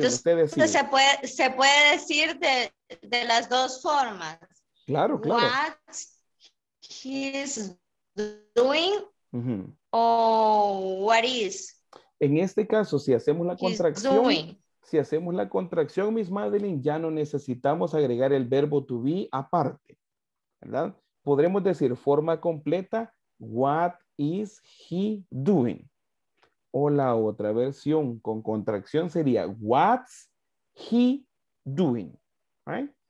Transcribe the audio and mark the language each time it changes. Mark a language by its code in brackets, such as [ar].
[es] Entonces, se puede decir de las dos formas. Claro, claro. [en] What he's doing, uh-huh, o what is. [es] En este caso, si hacemos la contracción, doing. Si hacemos la contracción, Miss Madeline, ya no necesitamos agregar el verbo to be aparte, ¿verdad? Podremos decir forma completa, [en] what is he doing? [es] O la otra versión con contracción sería, [en] what's he doing, right?